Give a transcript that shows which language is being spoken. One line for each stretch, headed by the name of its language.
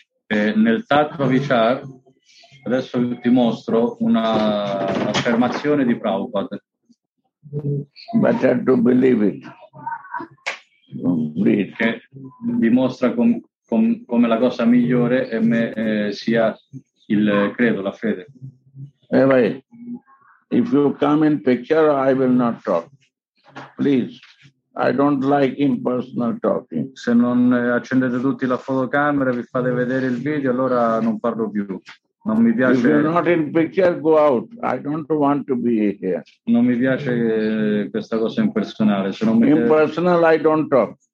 Italian: Nel Tattva Vichara, adesso ti mostro una affermazione di Prabhupada.
English: Better to believe it.
Italian: Che dimostra come la cosa migliore è sia il credo, la fede.
English: Anyway, if you come in picture, I will not talk. Please, I don't like impersonal talking.
Italian: Se non accendete tutti la fotocamera e vi fate vedere il video, allora non parlo più. Non mi piace.
English: If you're not in picture, go out. I don't want to be here.
Italian: Non mi piace questa cosa impersonale. Se non mi
English: impersonal, I don't talk.